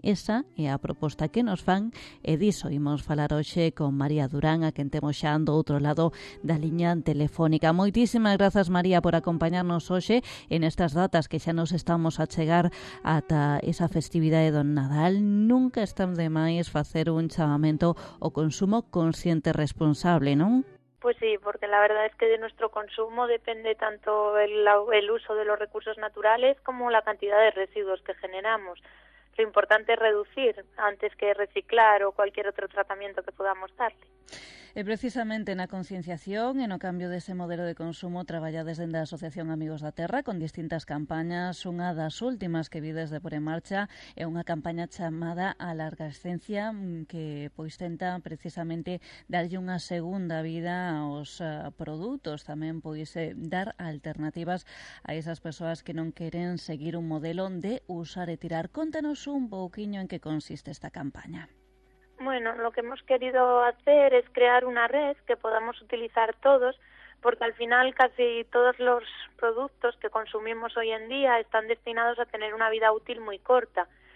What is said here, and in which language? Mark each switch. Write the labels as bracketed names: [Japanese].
[Galician] Esa é a proposta que nos fan e diso imos falar hoxe con María Durán, a quen temos xa do outro lado da liña telefónica. Moitísimas grazas, María, por acompañarnos hoxe en estas datas que xa nos estamos a chegar ata esa festividade do Nadal. Nunca está de máis facer un chamamento ao consumo consciente responsable, non? [Spanish] Pues sí, porque la verdad es que de nuestro consumo depende tanto el uso de los recursos naturales como la cantidad de residuos que generamos. Lo importante es reducir antes que reciclar o cualquier otro tratamiento que podamos darle. [Galician] E precisamente na concienciación e no cambio dese modelo de consumo traballades dende a Asociación Amigos da Terra con distintas campañas. Unha das últimas que vides de por en marcha é unha campaña chamada A Larga Esencia, que pois tenta precisamente darlle unha segunda vida aos produtos, tamén pois dar alternativas a esas persoas que non queren seguir un modelo de usar e tirar. Contanos un pouquiño en que consiste esta campaña. [Spanish] Bueno, lo que hemos querido hacer es crear una red que podamos utilizar todos, porque al final casi todos los productos que consumimos hoy en día están destinados a tener una vida útil muy corta.